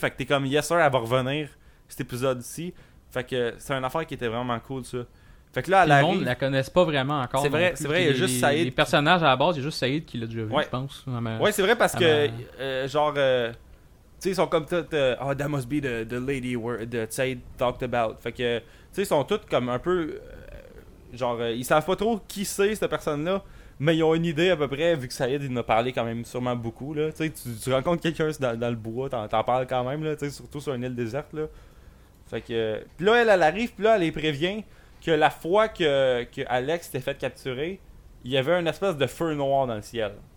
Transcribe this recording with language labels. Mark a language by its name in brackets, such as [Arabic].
[French] Fait que t'es comme, [English] yes sir, [French] elle va revenir, cet épisode-ci. Fait que c'est une affaire qui était vraiment cool, ça. Fait que là, le monde ne la connaît pas vraiment encore. C'est vrai, c'est vrai, il y a juste Saïd. Les personnages à la base, il y a juste Saïd qui l'a déjà vu, je pense. Ouais, c'est vrai parce que, tu sais, ils sont comme tous. [English] Oh, that must be the lady where Saïd talked about. [French] Fait que, tu sais, ils sont tous comme un peu. Ils savent pas trop qui c'est, cette personne-là. Mais ils ont une idée à peu près, vu que Saïd, il en a parlé quand même sûrement beaucoup. Là. Tu rencontres quelqu'un dans le bois, t'en parles quand même, là, surtout sur une île déserte. Là. Fait que. Puis là, elle arrive, puis là, elle les prévient. Que la fois que Alex s'était fait capturer, il y avait une espèce de feu noir dans le ciel.